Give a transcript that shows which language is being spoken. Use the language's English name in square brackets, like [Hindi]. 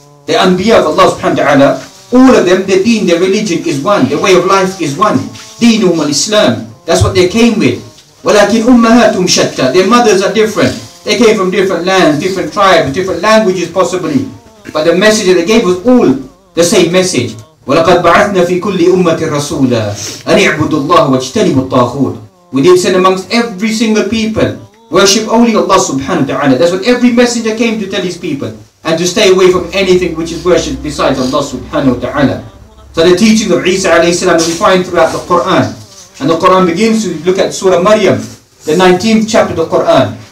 [English] The Anbiya of Allah subhanahu wa ta'ala, all of them, their deen, their religion is one, their way of life is one. [Arabic] دينهم الإسلام. [English] That's what they came with. [Arabic] ولكن أمهاتهم شتى. [English] Their mothers are different. They came from different lands, different tribes, different languages possibly. But the message that they gave was all the same message. [Arabic] ولقد بعثنا في كل أمة رسولا أن يعبدوا الله واجتنبوا الطاغوت. [English] We did send amongst every single people. Worship only Allah subhanahu wa ta'ala. That's what every messenger came to tell his people. And to stay away from anything which is worshipped besides Allah subhanahu wa ta'ala. So the teachings of Isa alayhi salam we find throughout the Quran. And the Quran begins to look at Surah Maryam, the 19th chapter of the Quran.